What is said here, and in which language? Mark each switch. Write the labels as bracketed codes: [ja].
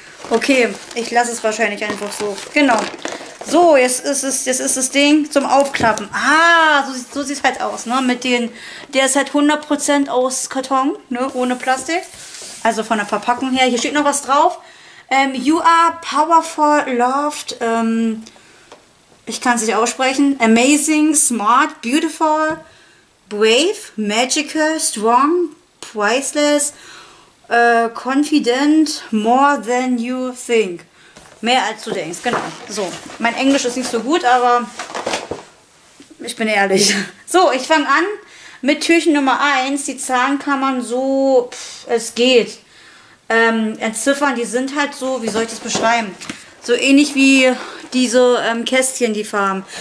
[de] Okay, ich lasse es wahrscheinlich einfach so. Genau. So, jetzt ist das Ding zum Aufklappen. Ah, so sieht es halt aus. Ne? Mit den, der ist halt 100% aus Karton, ne? Ohne Plastik. Also von der Verpackung her. Hier steht noch was drauf. [en] You are powerful, loved. [de] Ich kann es nicht aussprechen. [en] Amazing, smart, beautiful. Brave, magical, strong, priceless, confident, more than you think. [de] Mehr als du denkst, genau. So, mein Englisch ist nicht so gut, aber ich bin ehrlich. So, ich fange an mit Türchen Nummer 1. Die Zahnkammern so, es geht. Entziffern, die sind halt so, wie soll ich das beschreiben? So ähnlich wie diese Kästchen, die Farben.